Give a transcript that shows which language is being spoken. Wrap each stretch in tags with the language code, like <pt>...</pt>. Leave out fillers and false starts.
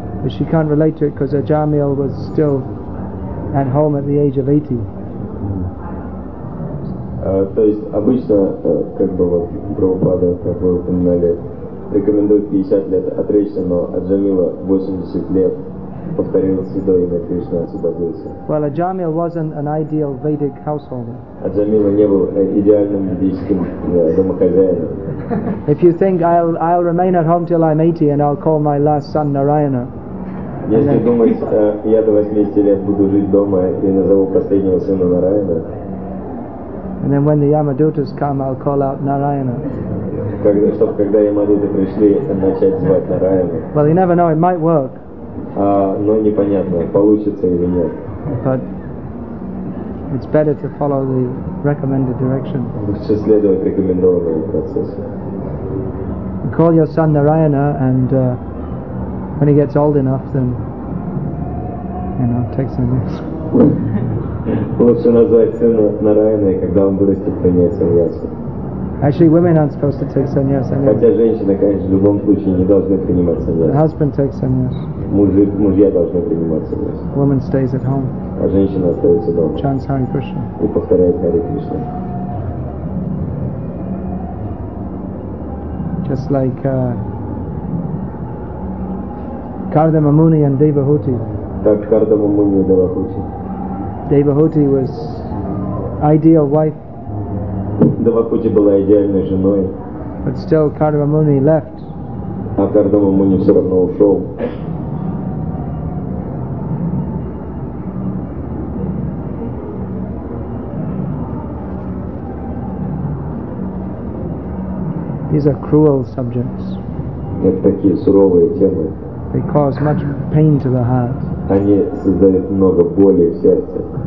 <en>She can't relate to it because Ajamil was still at home at the age of 80.</en> <ru>То есть обычно как бы вот Прабхупада, как вы упоминали, рекомендуют 50 лет отречься, но Аджамила 80 лет повторил седой, и Кришна освободился.</ru> <en>Well, Ajamil wasn't an ideal Vedic householder.</en> <ru>Аджамила не был идеальным ведическим домохозяином.</ru> <en>If you think I'll remain at home till I'm 80 and I'll call my last son Narayana.</en> <ru>Если думать, я до 80 лет буду жить дома и назову последнего сына Нараяна.</ru> <en>And then when the Yamadutas come, I'll call out Narayana.</en> <ru>Когда Ямадуты пришли, начать звать Нараяна.</ru> <en>Well, you never know, it might work.</en> <ru>Но непонятно, получится или нет.</ru> <en>But it's better to follow the recommended direction.</en> <ru>Лучше следовать рекомендованному процессу.</ru> <en>Call your son Narayana and when he gets old enough, then, you know, take some risks.</en> <ru>Лучше назвать сына Нараяна, и когда он вырастет, принять саньясу.</ru> <en>Actually, women aren't supposed to take sannyas.</en> <ru>Хотя женщины, конечно, в любом случае не должны принимать саньясу.</ru> <en>The husband takes sannyas.</en> <ru>Мужья должны принимать саньясу.</ru> <en>Woman stays at home.</en> <ru>А женщина остается дома.</ru> <en>Chants Hare Krishna.</en> <ru>И повторяет Hare Krishna.</ru> <en>Just like Kardama Muni and Devahuti.</en> <ru>Так Кардама Муни и Девахути.</ru> <en>Девахути was ideal wife.</en> <ru>Девахути была идеальной женой.</ru> <en>But still Кардама Муни left.</en> <ru>А Кардама Муни все равно ушел.</ru> <en>These are cruel subjects.</en> <ru>Это такие суровые темы.</ru> <en>They cause much pain to the heart.</en> <ru>Они создают много боли в сердце.</ru>